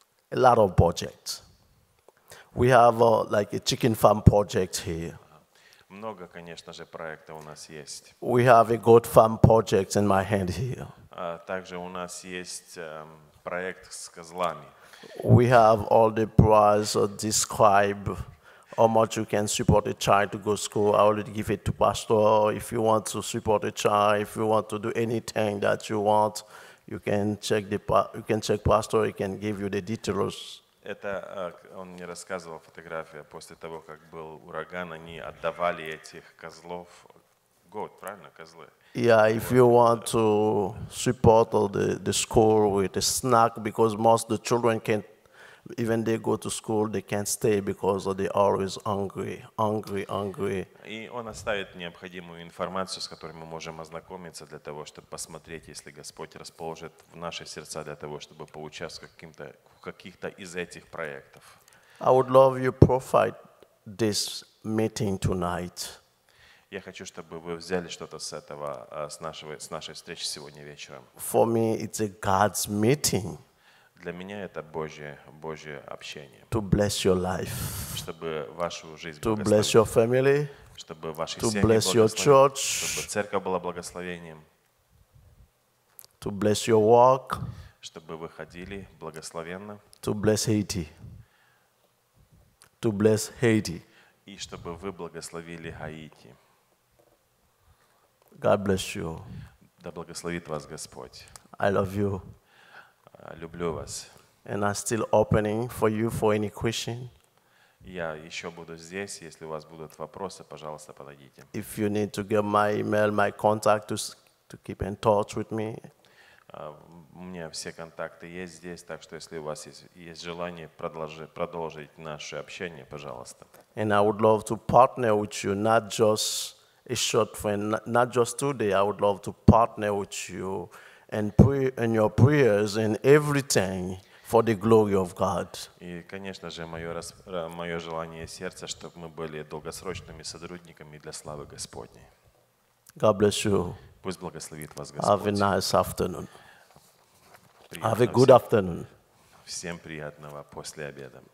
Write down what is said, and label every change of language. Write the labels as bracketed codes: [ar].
[en] A lot of projects. We have like a chicken farm project here. [ru] Много, конечно же, проектов у нас есть. [en] We have a goat farm project in my hand here. [ru] Также у нас есть проект с козлами. [en] We have all the price to describe how much you can support a child to go to school. I will give it to pastor. If you want to support a child, if you want to do anything that you want, you can check pastor. He can give you the details. [ru] Это он мне рассказывал фотография после того, как был ураган. Они отдавали этих козлов год, правильно, козлы. [en] Yeah, if you want to support the school with a snack, because most of the children can't, even they go to school, they can't stay because they're always hungry. [ru] И он оставит необходимую информацию, с которой мы можем ознакомиться для того, чтобы посмотреть, если Господь расположит в наши сердца для того, чтобы поучаствовать в каких-то из этих проектов. [en] I would love you provide this meeting tonight. [ru] Я хочу, чтобы вы взяли что-то с этого, с нашей встречи сегодня вечером. [en] For me, it's a God's meeting. [ru] Для меня это Божье общение. [en] To bless your life. [ru] Чтобы вашу жизнь благословить. [en] To bless your family. [ru] Чтобы ваши семьи благословили. [en] To bless your church. [ru] Чтобы церковь была благословением. [en] To bless your work. [ru] Чтобы вы ходили благословенно. [en] To bless Haiti. To bless Haiti. [ru] И чтобы вы благословили Гаити. [en] God bless you. [ru] Да благословит вас Господь. [en] I love you. [ru] Люблю вас. [en] And I'm still opening for you for any question. [ru] Я еще буду здесь, если у вас будут вопросы, пожалуйста, подойдите. [en] If you need to get my email, my contact to keep in touch with me. [ru] У меня все контакты есть здесь, так что если у вас есть желание продолжить наше общение, пожалуйста. [en] And I would love to partner with you, not just a short friend, not just today. I would love to partner with you and your prayers and everything for the glory of God. [ru] И, конечно же, мое желание сердца, чтобы мы были долгосрочными сотрудниками для славы Господней. [en] God bless you. [ru] Пусть благословит вас Господь. [en] Have a nice afternoon. Have a good afternoon. [ru] Всем приятного после обеда.